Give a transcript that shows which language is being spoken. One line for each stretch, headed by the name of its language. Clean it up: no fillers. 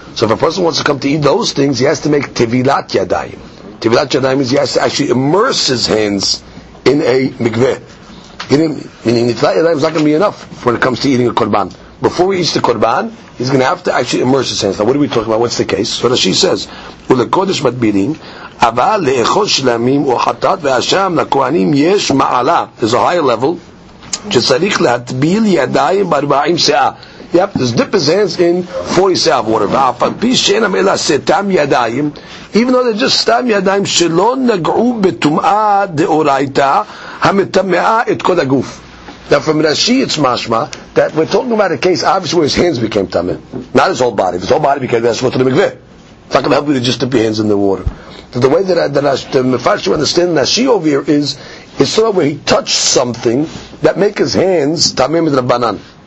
English: So if a person wants to come to eat those things, he has to make Tevilat Yadayim. Tevilat Yadayim means he has to actually immerse his hands in a mikveh. Meaning Tevilat Yadayim is not going to be enough when it comes to eating a Korban. Before he eats the Korban, he's going to have to actually immerse his hands. Now what are we talking about? What's the case?
Hebrew: So Rashi says, Ule Kodesh Matbilin, אבל לאכול שלמים או חטאת ואשם לכהנים יש מעלה. There's a higher level שצריך להטביל ידיים בארבעים שעה. Yep, just dip his hands in 40 seah of water. ואף על פי שאינם אלא סתם ידיים, even though they're just סתם ידיים שלא נגעו בתומאה דאורייתא המטמאה את כל הגוף.
English: Now from Rashi it's mashma that we're talking about a case obviously where his hands became tame, not his whole body. If his whole body became that's what the mikveh. It's not going to help you to just dip your hands in the water. So the way that the Mefarshim understand Nashi over here is, it's sort of where he touched something that makes his hands tamim with Rabbanan.